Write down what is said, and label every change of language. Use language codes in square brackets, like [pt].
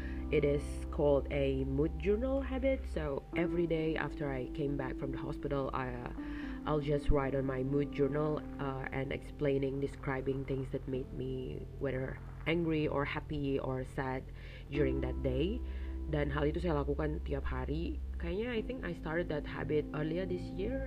[en] It is called a mood journal habit. So every day after I came back from the hospital, I'll just write on my mood journal and describing things that made me whether angry or happy or sad during that day. [id] Dan hal itu saya lakukan tiap hari. Kayaknya [en] I think I started that habit earlier this year.